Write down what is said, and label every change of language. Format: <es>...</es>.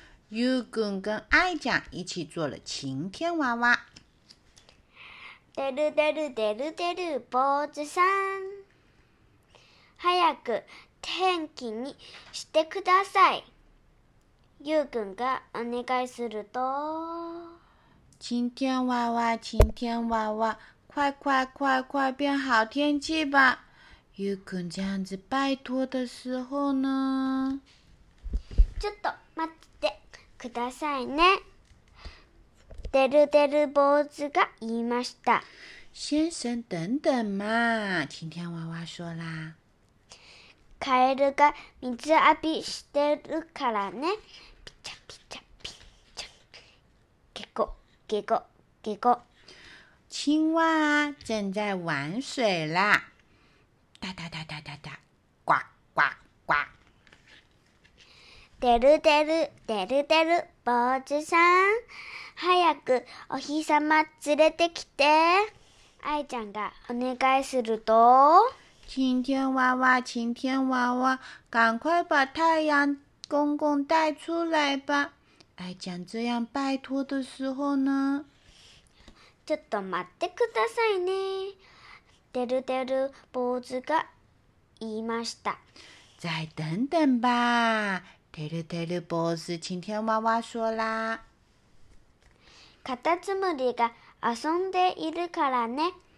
<zh>ゆうくん跟あいちゃん一起做了晴天娃娃。</zh> <ja>デルデルデルデル坊主さん、早く天気にしてください。ゆうくんがお願いすると。</ja> <zh>晴天娃娃，晴天娃娃，快快快快变好天气吧！ゆうくん这样子拜托的时候呢？</zh> <ja>ちょっと待ってくださいね。デルデル坊主が言いました。</ja> <zh>先生等等嘛，晴天娃娃说啦。</zh> <ja>カエルが水浴びしてるからね。ピチャピチャピチャ。結構、結構、結構。</ja> <zh>青蛙啊，正在玩水啦。哒哒哒哒哒哒，呱呱呱。</zh> <ja>デルデル、デルデル、坊主さん。早くお日様連れてきて。愛ちゃんがお願いすると。</ja> <zh>晴天娃娃，晴天娃娃，赶快把太阳公公带出来吧！爱讲这样拜托的时候呢？</zh> <ja>ちょっと待ってくださいね。デルデル坊主が言いました。</ja> <zh>再等等吧，デルデル坊主，晴天娃娃说啦。</zh> <ja>カタツムリが遊んでいるからね。</ja>